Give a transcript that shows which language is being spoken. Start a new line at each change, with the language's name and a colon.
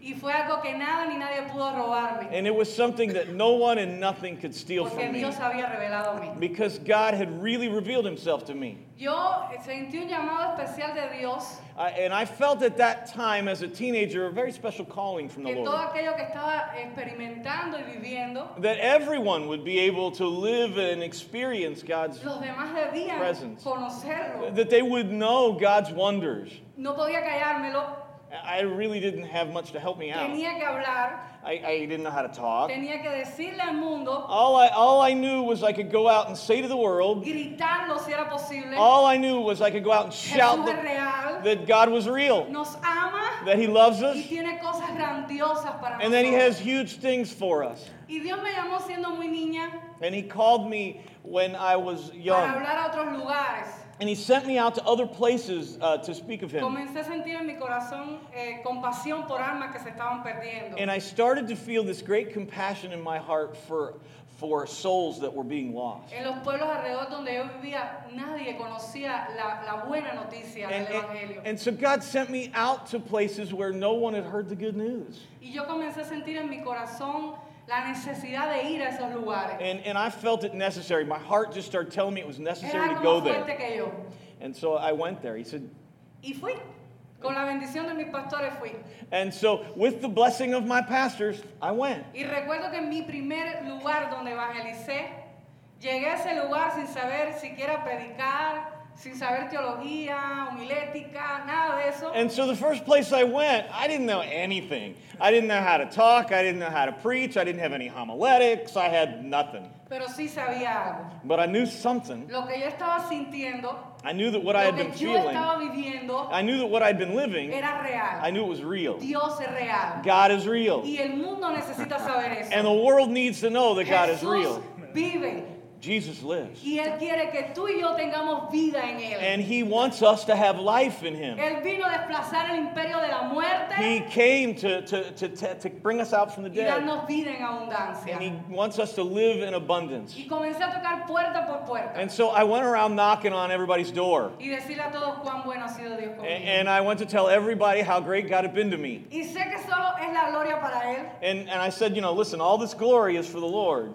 Spanish: Y fue algo que nada ni nadie pudo robarme.
English: And it was something that no one and nothing could steal
Spanish: porque
English: from
Spanish: Dios
English: me.
Spanish: Había revelado a mí.
English: Because God had really revealed himself to me.
Spanish: Yo sentí un llamado especial de Dios.
English: And I felt at that time as a teenager a very special calling from the
Spanish: que
English: Lord.
Spanish: Todo aquello que estaba experimentando y viviendo,
English: that everyone would be able to live and experience God's
Spanish: los demás debían
English: presence.
Spanish: Conocerlo.
English: That they would know God's wonders.
Spanish: No podía callármelo.
English: I really didn't have much to help me out.
Spanish: Tenía que hablar.
English: I didn't know how to talk.
Spanish: Tenía que decirle al mundo.
English: All I knew was I could go out and say to the world.
Spanish: Gritarlo si era posible.
English: All I knew was I could go out and shout that God was real.
Spanish: Nos ama.
English: That he loves us.
Spanish: Y tiene cosas grandiosas para nosotros.
English: And that he has huge things for us.
Spanish: Y Dios me llamó siendo muy niña.
English: And he called me when I was young.
Spanish: Para hablar a otros lugares.
English: And he sent me out to other places to speak of him.
Spanish: Comencé a sentir en mi corazón compasión por almas que se estaban perdiendo.
English: And I started to feel this great compassion in my heart for souls that were being lost.
Spanish: En los pueblos alrededor donde yo vivía, nadie conocía la buena noticia del evangelio.
English: And so God sent me out to places where no one had heard the good news.
Spanish: Y yo comencé a sentir en mi corazón la necesidad de ir a esos lugares.
English: And I felt it necessary. My heart just started telling me it was necessary
Spanish: era
English: to go there.
Spanish: Que yo.
English: And so I went there. He said.
Spanish: Y fui. Con la bendición de mis pastores fui.
English: And so with the blessing of my pastors, I went.
Spanish: Y recuerdo que en mi primer lugar donde evangelicé, llegué a ese lugar sin saber siquiera predicar. Sin saber teología, homilética, nada de eso.
English: And so the first place I went, I didn't know anything. I didn't know how to talk. I didn't know how to preach. I didn't have any homiletics. I had nothing.
Spanish: Pero sí sabía algo.
English: But I knew something.
Spanish: Lo que yo estaba sintiendo,
English: I knew that what I had been feeling,
Spanish: viviendo,
English: I knew that what I'd been living,
Spanish: era real.
English: I knew it was real.
Spanish: Dios es real.
English: God is real.
Spanish: Y el mundo necesita saber eso.
English: And the world needs to know that
Spanish: Jesús
English: God is real.
Spanish: Vive.
English: Jesus lives.
Spanish: Y él quiere que tú y yo tengamos vida en él.
English: And he wants us to have life in him.
Spanish: Él vino a desplazar el imperio de la muerte.
English: He came to bring us out from the dead.
Spanish: Y darnos vida en abundancia.
English: And he wants us to live in abundance.
Spanish: Y comencé a tocar puerta por puerta.
English: And so I went around knocking on everybody's door.
Spanish: Y decirle a todos cuán bueno ha sido Dios conmigo.
English: And I went to tell everybody how great God had been to me.
Spanish: Y sé que solo es la gloria para él.
English: And I said, you know, listen, all this glory is for the Lord.